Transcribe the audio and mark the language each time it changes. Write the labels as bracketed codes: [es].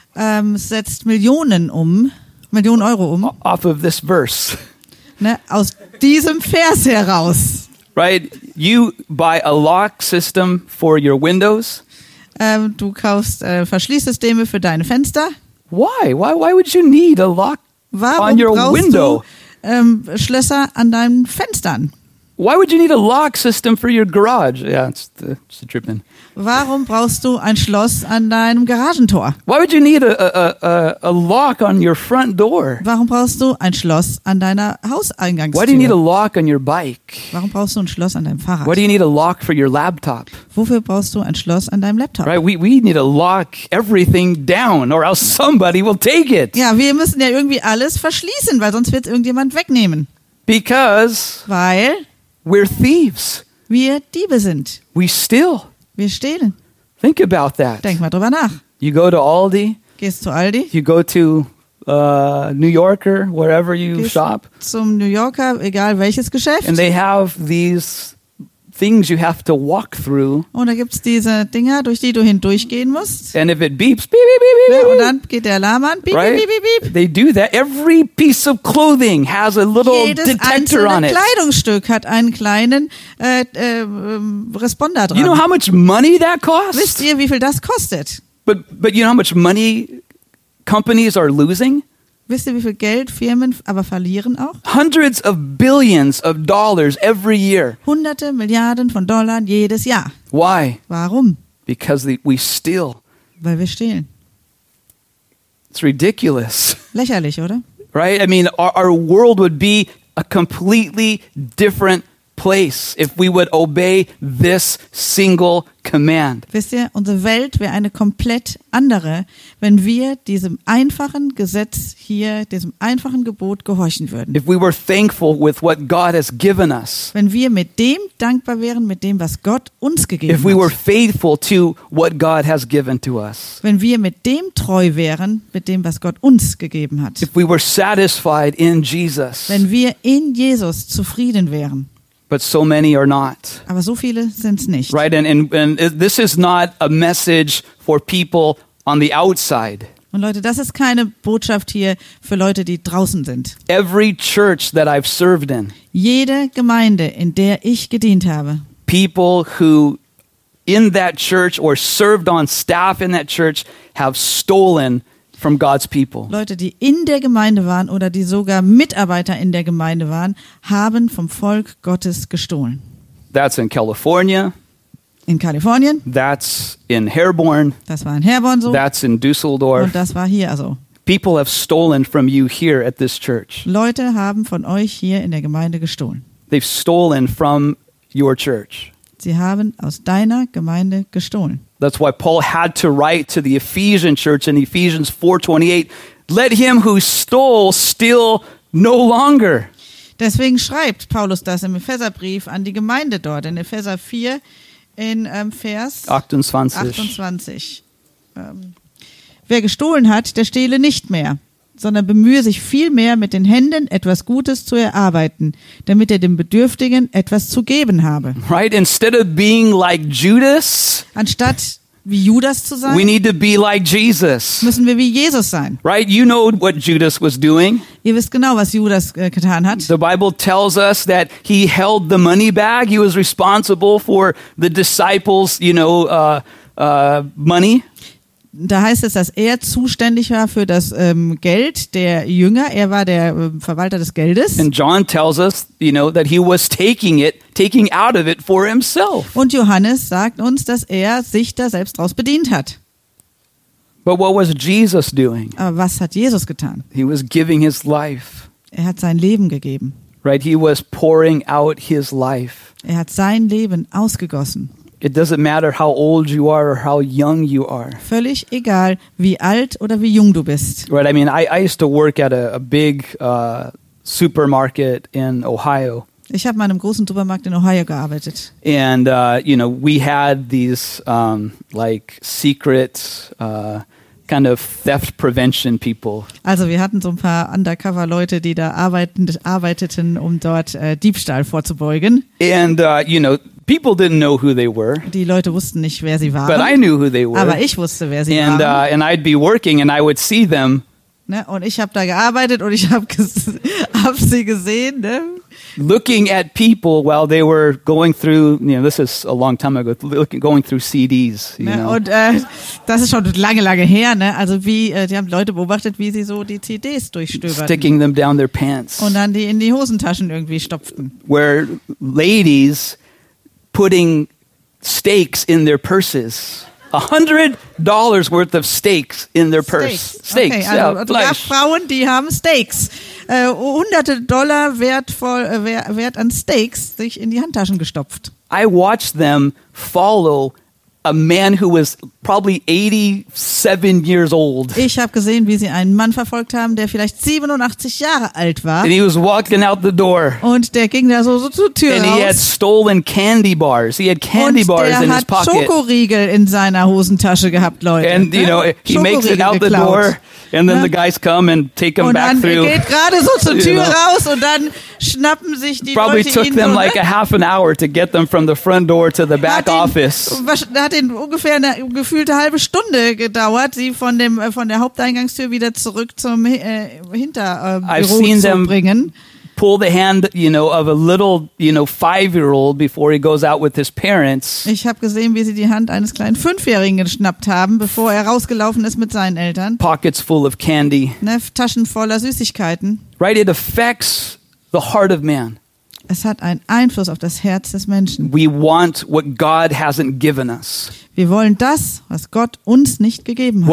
[de] Setzt Millionen Euro um. [en] Off of this verse. [de] Ne, aus diesem Vers heraus. [en] Right, you buy a lock system for your windows. [de] Du kaufst Verschließsysteme für deine Fenster. [en] Why? Why would you need a lock [de] Warum [en] on your [de] brauchst [en] window? [de] Du Schlösser an deinen Fenstern? [en] Why would you need a lock system for your garage? Yeah, it's a trip in. [de] Warum brauchst du ein Schloss an deinem Garagentor? [en] Why would you need a lock on your front door? [de] Warum brauchst du ein Schloss an deiner Hauseingangstür? [en] Why do you need a lock on your bike? [de] Warum brauchst du ein Schloss an deinem Fahrrad? [en] Why do you need a lock for your laptop? [de] Wofür brauchst du ein Schloss an deinem Laptop? [en] Right, we need to lock everything down or else somebody will take it. [de] Ja, wir müssen ja irgendwie alles verschließen, weil sonst wird es irgendjemand wegnehmen. [en] Because [de] weil [en] we're thieves. [de] Wir Diebe sind. [en] We steal. [de] Wir stehlen. [en] Think about that. [de] Denk mal drüber nach. [en] You go to Aldi. [de] Gehst zu Aldi. [en] You go to New Yorker, wherever you [de] Gehst [en] shop. [de] Zum New Yorker, egal welches Geschäft. [en] And they have these things you have to walk through. [de] Und da gibt's diese Dinger, durch die du hindurchgehen musst. [en] And if it beeps, beep, beep, beep, beep. [de] Ja, und dann geht der Alarm an, beep, [en] right? [de] Beep, beep, beep, beep. [en] They do that. Every piece of clothing has a little [de] Jedes [en] detector on it. [de] Jedes Kleidungsstück hat einen kleinen Responder dran. [en] You know how much money that costs? [de] Wisst ihr, wie viel das kostet? [en] But you know how much money companies are losing? [de] Wisst ihr, wie viel Geld Firmen aber verlieren auch? [en] Hundreds of billions of dollars every year. [de] Hunderte Milliarden von Dollar jedes Jahr. [en] Why? [de] Warum? [en] Because we steal. [de] Weil wir stehlen. [en] It's ridiculous. [de] Lächerlich, oder? [en] Right? I mean, our world would be a completely different place if we would obey this single command. [de] Wisst ihr, unsere Welt wäre eine komplett andere, wenn wir diesem einfachen Gesetz hier, diesem einfachen Gebot gehorchen würden. [en] If we were thankful with what God has given us. [de] Wenn wir mit dem dankbar wären, mit dem, was Gott uns gegeben hat. [en] If we were faithful to what God has given to us. [de] Wenn wir mit dem treu wären, mit dem, was Gott uns gegeben hat. [en] If we were satisfied in Jesus. [de] Wenn wir in Jesus zufrieden wären. [en] But so many are not. [de] Aber so viele sind's nicht. [en] Right, and this is not a message for people on the outside. [de] Und Leute, das ist keine Botschaft hier für Leute, die draußen sind. [en] Every church that I've served in. [de] Jede Gemeinde, in der ich gedient habe. [en] People who in that church or served on staff in that church have stolen from God's people. [de] Leute, die in der Gemeinde waren oder die sogar Mitarbeiter in der Gemeinde waren, haben vom Volk Gottes gestohlen. [en] That's in California. [de] In Kalifornien. [en] That's in Herborn. [de] Das war in Herborn so. [en] That's in Düsseldorf. [de] Und das war hier also. [en] People have stolen from you here at this church. [de] Leute haben von euch hier in der Gemeinde gestohlen. [en] They've stolen from your church. [de] Sie haben aus deiner Gemeinde gestohlen. [en] That's why Paul had to write to the Ephesian church in Ephesians 4:28, let him who stole steal no longer. [de] Deswegen schreibt Paulus das im Epheserbrief an die Gemeinde dort in Epheser 4 in Vers 28. Wer gestohlen hat, der stehle nicht mehr, sondern bemühe sich vielmehr mit den Händen etwas Gutes zu erarbeiten, damit er dem Bedürftigen etwas zu geben habe. [en] Right, instead of being like Judas, [de] anstatt wie Judas zu sein, [en] we need to be like Jesus. [de] Müssen wir wie Jesus sein. [en] Right, you know what Judas was doing. [de] Ihr wisst genau, was Judas getan hat. [en] The Bible tells us that he held the money bag. He was responsible for the disciples, you know, money. [de] Da heißt es, dass er zuständig war für das Geld der Jünger. Er war der Verwalter des Geldes. [en] And John tells us, you know, that he was taking out of it for himself. [de] Und Johannes sagt uns, dass er sich da selbst draus bedient hat. [en] But what was Jesus doing? [de] Aber was hat Jesus getan? [en] He was giving his life. [de] Er hat sein Leben gegeben. [en] Right, he was pouring out his life. [de] Er hat sein Leben ausgegossen. [en] It doesn't matter how old you are or how young you are. [de] Völlig egal, wie alt oder wie jung du bist. [en] Right, I mean, I used to work at a big supermarket in Ohio. [de] Ich habe mal in einem großen Supermarkt in Ohio gearbeitet. [en] And you know, we had these like secret kind of theft prevention people. [de] Also, wir hatten so ein paar undercover Leute, die da arbeiteten, um dort Diebstahl vorzubeugen. [en] And you know, people didn't know who they were. [de] Die Leute wussten nicht, wer sie waren. [en] But I knew who they were. [de] Aber ich wusste, wer sie [en] and, [de] waren. [en] And I'd be working and I would see them. [de] Ne? Und ich habe da gearbeitet und ich habe hab sie gesehen. Ne? [en] Looking at people while they were going through, you know, this is a long time ago, going through CDs. You [de] ne? [en] Know. [de] Und das ist schon lange, lange her. Ne? Also wie, die haben Leute beobachtet, wie sie so die CDs durchstöberten. [en] Sticking them down their pants. [de] Und dann die in die Hosentaschen irgendwie stopften. [en] Where ladies putting stakes in their purses. $100 worth of stakes in their purse. Steaks. [de] Okay, also, ja, Fleisch. Ja, Frauen, die haben Steaks. Hunderte Dollar wert an Steaks sich in die Handtaschen gestopft. [en] I watched them follow a man who was probably 87 years old. [de] Ich habe gesehen, wie sie einen Mann verfolgt haben, der vielleicht 87 Jahre alt war. [en] And he was walking out the door. [de] Und der ging da so zur Tür raus. [en] And he had stolen candy bars. He had candy bars in his pocket. [de] Und der hat Schokoriegel in seiner Hosentasche gehabt, Leute. [en] And you know, he makes it out the door and then the guys come and take him back through. [de] Und dann geht gerade so zur Tür raus und dann schnappen sich die Leute. [en] Probably took them like a half an hour to get them from the front door to the back office. [de] Hat ihn ungefähr eine gefühlte halbe Stunde gedauert, sie von dem von der Haupteingangstür wieder zurück zum Hinterbüro zu bringen. [en] Pull the hand, you know, of a little, you know, 5-year-old before he goes out with his parents. [de] Ich habe gesehen, wie sie die Hand eines kleinen 5-Jährigen geschnappt haben, bevor er rausgelaufen ist mit seinen Eltern. [en] Pockets full of candy. [de] Ne, Taschen voller Süßigkeiten. [en] Right, it affects the heart of man. [de] Es hat einen Einfluss auf das Herz des Menschen. [en] We want what God hasn't given us. [de] Wir wollen das, was Gott uns nicht gegeben hat.